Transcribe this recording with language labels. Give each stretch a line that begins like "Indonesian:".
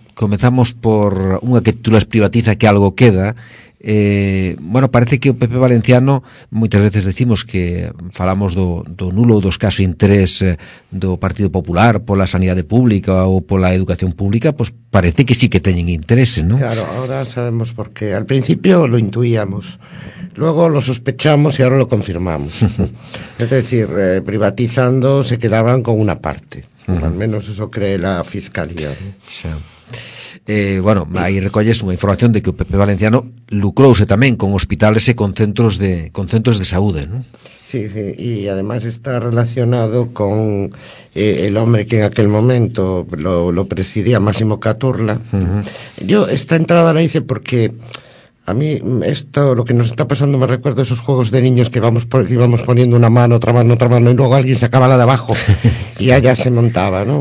Galician: Comezamos por unha que titulas Privatiza que algo queda. Bueno, parece que o PP valenciano, moitas veces decimos que falamos do nulo ou do escaso interés do Partido Popular pola sanidade pública ou pola educación pública, pois parece que sí que teñen interese, non?
Spanish: Claro, ahora sabemos por qué. Al principio lo intuíamos, luego lo sospechamos y ahora lo confirmamos. Es decir, privatizando se quedaban con una parte, al menos eso cree la fiscalía, ¿no? Sí.
Galician: Bueno, aí recolles unha información de que o PP valenciano lucrouse tamén con hospitales e con centros de saúde, ¿no?
Spanish: Sí, sí, y además está relacionado con el hombre que en aquel momento lo presidía, Máximo Caturla. Yo esta entrada la hice porque a mí esto, lo que nos está pasando, me recuerda esos juegos de niños que íbamos poniendo una mano, otra mano, y luego alguien sacaba la de abajo y allá se montaba, ¿no?